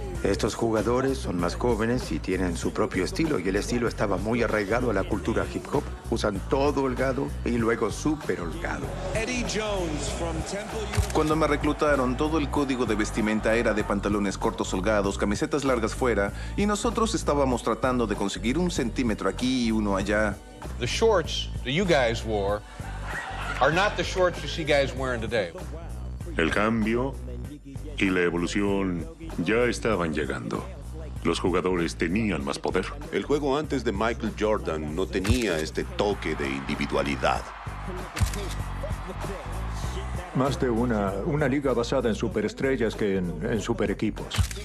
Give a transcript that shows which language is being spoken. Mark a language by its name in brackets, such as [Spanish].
[Spanish] Estos jugadores son más jóvenes y tienen su propio estilo. Y el estilo estaba muy arraigado a la cultura hip hop. Usan todo holgado y luego súper holgado. [English] Eddie Jones from Temple... [Spanish] Cuando me reclutaron, todo el código de vestimenta era de pantalones cortos holgados, camisetas largas fuera. Y nosotros estábamos tratando de conseguir un centímetro aquí y uno allá. [English] The shorts that you guys wore are not the shorts you see guys wearing today. [Spanish] El cambio y la evolución ya estaban llegando. Los jugadores tenían más poder. El juego antes de Michael Jordan no tenía este toque de individualidad. Más de una liga basada en superestrellas que en superequipos.